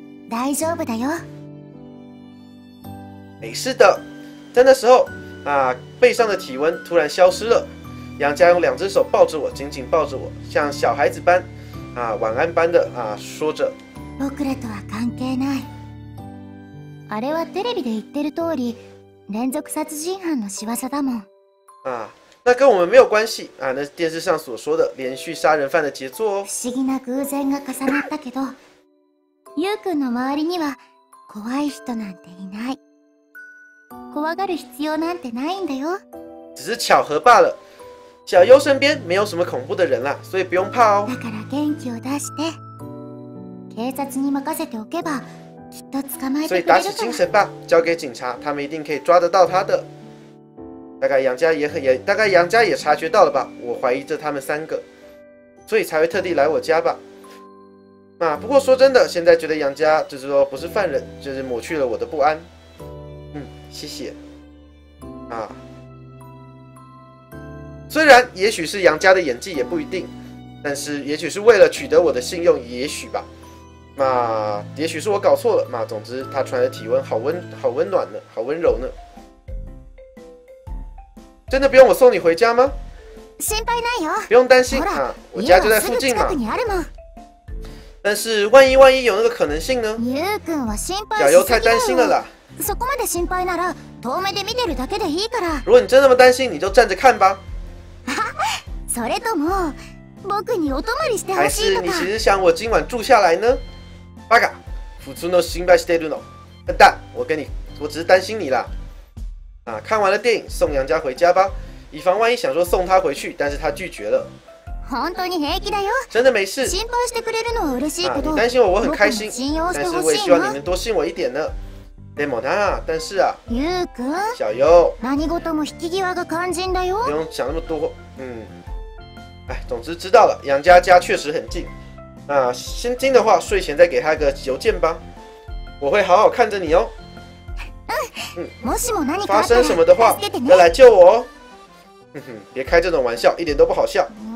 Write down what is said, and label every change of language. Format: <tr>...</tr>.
<ja>大丈夫だよ。</ja> <zh>没事的，在那时候啊，背上的体温突然消失了，杨家用两只手抱着我，紧紧抱着我，像小孩子般啊，晚安般的啊说着。</zh> <ja>僕らとは関係ない。あれはテレビで言ってる通り。連続殺人犯の仕業だもん。</ja> <zh>啊，那跟我们没有关系啊，那电视上所说的连续杀人犯的杰作哦。</zh> <ja>不思議な偶然が重なったけど、ユウ君の周りには怖い人なんていない。怖がる必要なんてないんだよ。</ja> <zh>只是巧合罢了。小优身边没有什么恐怖的人啦，所以不用怕哦。</zh> <ja>だから元気を出して、警察に任せておけば。</ja> <zh>所以打起精神吧，交给警察，他们一定可以抓得到他的。大概杨家也很也大概杨家也察觉到了吧，我怀疑这他们三个，所以才会特地来我家吧。啊，不过说真的，现在觉得杨家就是说不是犯人，就是抹去了我的不安。嗯，谢谢。啊，虽然也许是杨家的演技也不一定，但是也许是为了取得我的信用，也许吧。那也许是我搞错了嘛，总之他传来的体温好温好温暖呢，好温柔呢。真的不用我送你回家吗？</zh> <ja>心配ないよ。</ja> <zh>不用担心啊，我家就在附近嘛。但是万一有那个可能性呢？</zh> <ja>ゆう君は心配しすぎる。</ja> <zh>太担心了啦。</zh> <ja>そこまで心配なら遠目で見てるだけでいいから。</ja> <zh>如果你真的那么担心，你就站着看吧。</zh> <ja>それとも僕にお泊まりしてほしいとか。</ja> <zh>还是你其实想我今晚住下来呢？</zh> <ja>バカ、普通の心配してるの。</ja> <zh>笨蛋，我只是担心你啦。啊，看完了电影，送杨家回家吧，以防万一想说送他回去，但是他拒绝了。</zh> <ja>本当に平気だよ。</ja> <zh>真的没事。</zh> <ja>心配してくれるのは嬉しいけど。</ja> <zh>担心我，我很开心。但是我也希望你能多信我一点呢。</zh> <ja>でもな，</ja> <zh>但是啊。</zh> <ja>ゆう君。</ja> <zh>小优。</zh> <ja>何事も引き際が肝心だよ。</ja> <zh>不用想那么多，嗯。哎，总之知道了，杨家家确实很近。那先进的话，睡前再给他个邮件吧。我会好好看着你哦。嗯，发生什么的话，要来救我哦。哼哼，别开这种玩笑，一点都不好笑。</zh>